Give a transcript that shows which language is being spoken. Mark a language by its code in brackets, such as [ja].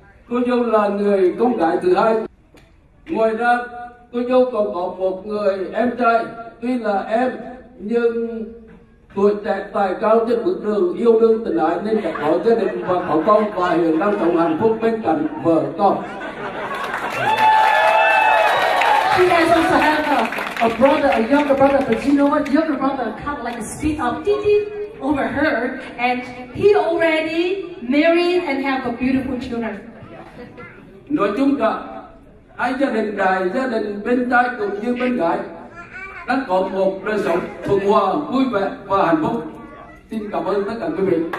[vi] Cô dâu là người con gái thứ hai. Ngoài ra, cô dâu còn có một người em trai, tuy là em nhưng tuổi trẻ tài cao trên bước đường yêu đương tình ái nên đã có gia đình và có con và hiện đang sống hạnh phúc bên cạnh vợ con. [en] She has also have a brother, a younger brother, but you know what? Younger brother kind of like a speed up ding over her, and he already married and have a beautiful children. [vi] Nói chung cả hai gia đình, đại gia đình bên trai cũng như bên gái, đã có một đời sống thuận hòa, vui vẻ và hạnh phúc. Xin cảm ơn tất cả quý vị.